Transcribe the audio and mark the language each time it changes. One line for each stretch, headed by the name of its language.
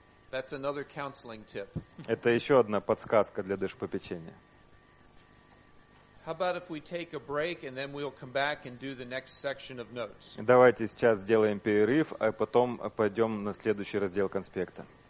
English: That's another counseling tip.
Russian: Это еще одна подсказка для душепопечения.
English: How about if we take a break and then we'll come back and do the next section of notes?
Russian: Давайте сейчас сделаем перерыв, а потом пойдем на следующий раздел конспекта.